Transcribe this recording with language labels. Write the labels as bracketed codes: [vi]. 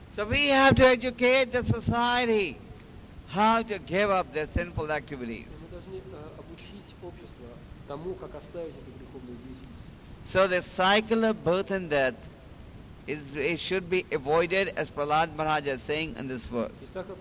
[en] So we have to educate the society how to give up their sinful activities. [ru] Мы должны обучить общество тому, как оставить эту греховную деятельность. [en] So the cycle of birth and death it should be avoided, as Prahlad Maharaj is saying in this verse.